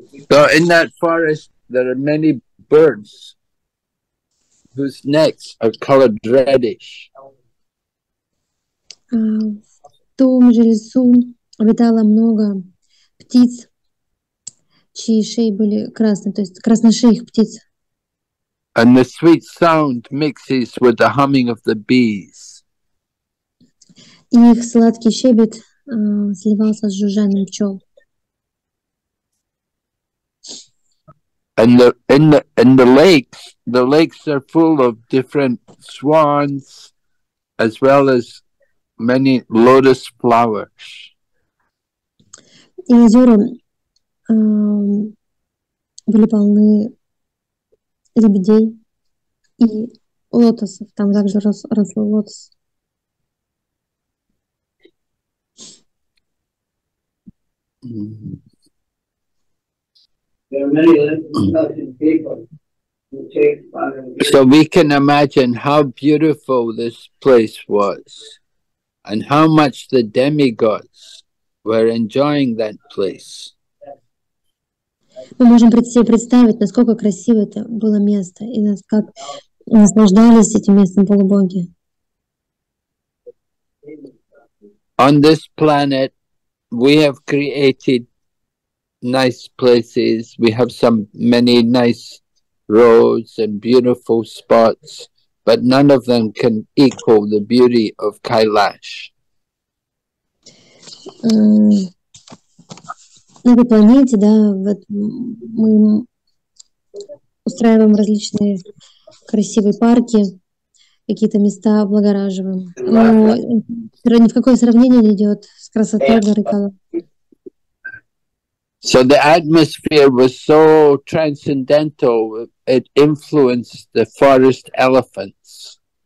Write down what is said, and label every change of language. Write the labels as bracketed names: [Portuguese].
[English] So in that forest there are many birds whose necks are colored reddish. [Russian] В том же лесу обитало много птиц, чьи шеи были красные, то есть красношеих птиц. [English] And the sweet sound mixes with the humming of the bees. [Russian] Их сладкий щебет сливался с жужжанием пчел. [English] And in the lakes, the lakes are full of different swans, as well as many lotus flowers. [Russian] И озера были полны лебедей и лотосов. Там также росло лотос. [English] There are many living people who take so we can imagine how beautiful this place was and how much the demigods were enjoying that place. [Russian] Мы можем себе представить, насколько красиво это было место и нас как наслаждались этим местом полубоги. [English] On this planet we have created nice places. We have some many nice roads and beautiful spots, but none of them can equal the beauty of Kailash. [Russian] На этой планете, да, вот мы устраиваем различные красивые парки, какие-то места облагораживаем. Но ни в какое сравнение не идет с красотой горы Кайлас. [English] So the atmosphere was so transcendental, it influenced the forest elephants.